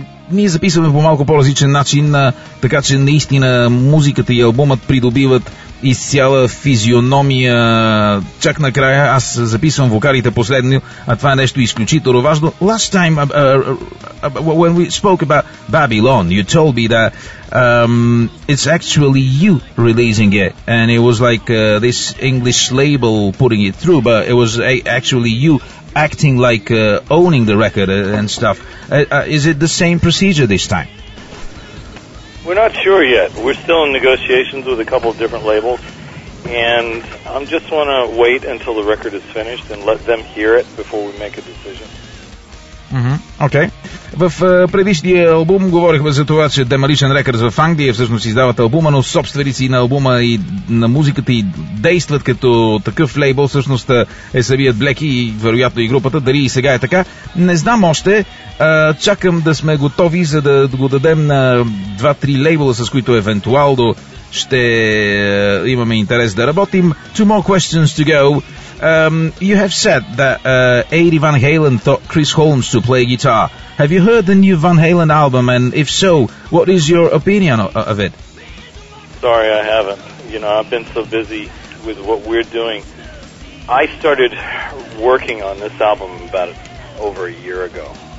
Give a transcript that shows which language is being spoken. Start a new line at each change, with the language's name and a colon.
Bulgarian: Ние записваме по малко по-различен начин, така че наистина музиката и албумът придобиват изцяла физиономия. Чак накрая аз записвам вокалите последни, а това е нещо изключително важно.
English: Last time, when we spoke about Babylon, you told me that it's actually you releasing it, and it was like this English label putting it through, but it was actually you acting like owning the record and stuff. Is it the same procedure this time? We're not sure yet. We're still in negotiations with a couple of different labels, and I just want to wait until the record is finished and let them hear it before we make a decision.
Bulgarian: Окей. В предишния албум говорихме за това, че Demolition Records в Англия всъщност издават албума, но собственици на албума и на музиката и действат като такъв лейбъл, всъщност е самият Блеки и вероятно и групата, дали и сега е така. Не знам още, чакам да сме готови, за да го дадем на 2-3 лейбъла, с които евентуално ще имаме интерес да работим.
English: Two more questions to go. You have said that Eddie Van Halen taught Chris Holmes to play guitar. Have you heard the new Van Halen album, and if so, what is your opinion of it? Sorry, I haven't. You know, I've been so busy with what we're doing. I started working on this album about over a year ago.